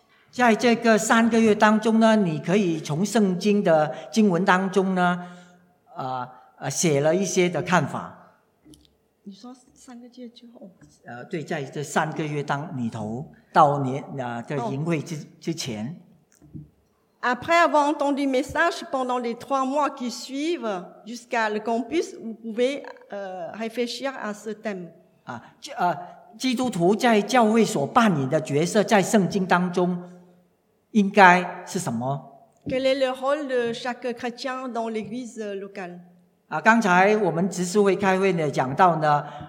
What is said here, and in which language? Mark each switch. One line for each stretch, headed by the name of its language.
Chinese: 在这个三个月当中呢，你可以从圣经的经文当中呢，写了一些的看法。你说三个月之后？对，在这三个月当里头，到年的营会之前。
French: Après avoir entendu le message pendant les trois mois qui suivent jusqu'à le campus, vous pouvez réfléchir à ce thème.
Chinese: 基督徒在教会所扮演的角色在圣经当中应该是什么？
French: Quel est le rôle de chaque chrétien dans l'église locale?
Chinese: 刚才我们执事会开会呢讲到呢，